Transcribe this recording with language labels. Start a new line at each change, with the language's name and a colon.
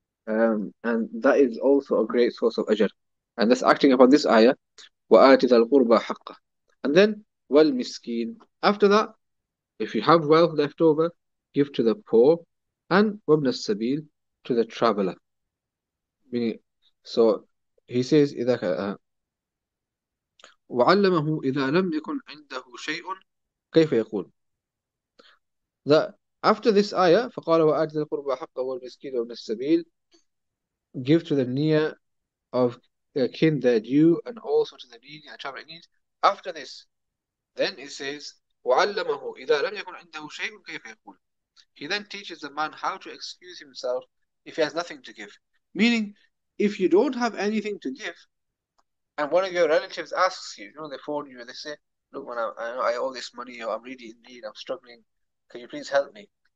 English: And that is also a great source of ajr. And that's acting upon this ayah,
Arabic: وَآتِ ذَا الْقُرْبَى حَقَّهُ.
English: And then, وَالْمِسْكِينَ. After that, if you have wealth left over, give to the poor, and
Arabic: وَابْنَ السَّبِيلِ,
English: to the traveler. Meaning, so he says,
Arabic: إِذَا وَعَلَّمَهُ إِذَا لَمْ يَكُنْ عِنْدَهُ شَيْءٌ كَيْفَ يَقُولُ.
English: That after this ayah,
Arabic: فَقَالَ وَآتِ ذَا الْقُرْبَى حَقَّهُ وَالْمِسْكِينَ وَابْنَ السَّبِيلِ,
English: give to the near of kin their due, and also to the needy and traveling needs. After this, then it says,
Arabic: وَعَلَّمَهُ إِذَا لَمْ يَكُنْ عِنْدَهُ شَيْءٌ كَيْفَ يَقُولُ.
English: He then teaches the man how to excuse himself if he has nothing to give. Meaning, if you don't have anything to give, and one of your relatives asks you, they phone you and they say, look, man, I owe this money, or I'm really in need, I'm struggling, can you please help me?